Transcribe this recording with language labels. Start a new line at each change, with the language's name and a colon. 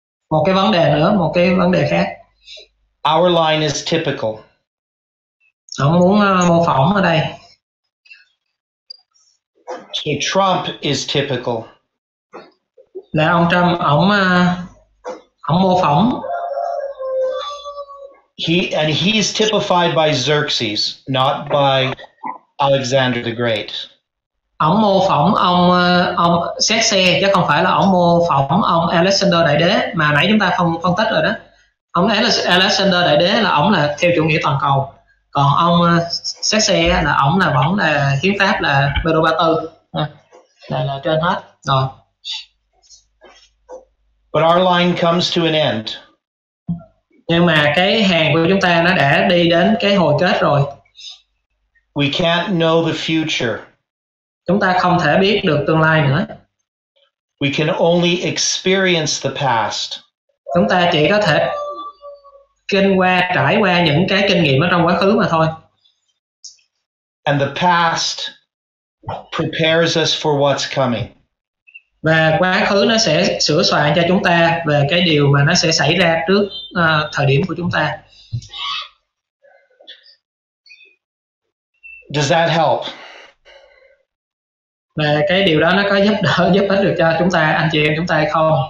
Vietnamese: Một cái vấn đề nữa, một cái vấn đề khác.
English: Our line is typical.
Vietnamese: Ông muốn mô phỏng ở đây.
English: So Trump is typical.
Vietnamese: Là ông Trump ông mô phỏng.
English: He is typified by Xerxes, not by Alexander the Great.
Vietnamese: Ông mô phỏng ông Xerxes chứ không phải là ông mô phỏng ông Alexander Đại Đế mà nãy chúng ta phân tích rồi đó. Ông Alexander Đại Đế là ông là theo chủ nghĩa toàn cầu. Còn ông Xét Xe là ông là vẫn là hiến pháp là Bê-rô Ba Tư. Là trên hết. Rồi.
English: But our line comes to an end.
Vietnamese: Nhưng mà cái hàng của chúng ta nó đã đi đến cái hồi kết rồi.
English: We can't know the future.
Vietnamese: Chúng ta không thể biết được tương lai nữa.
English: We can only experience the past.
Vietnamese: Chúng ta chỉ có thể kinh qua, trải qua những cái kinh nghiệm ở trong quá khứ mà thôi.
English: And the past prepares us for what's coming.
Vietnamese: Và quá khứ nó sẽ sửa soạn cho chúng ta về cái điều mà nó sẽ xảy ra trước thời điểm của chúng ta.
English: Does that help?
Vietnamese: Và cái điều đó nó có giúp đỡ, giúp ích được cho chúng ta, anh chị em chúng ta hay không?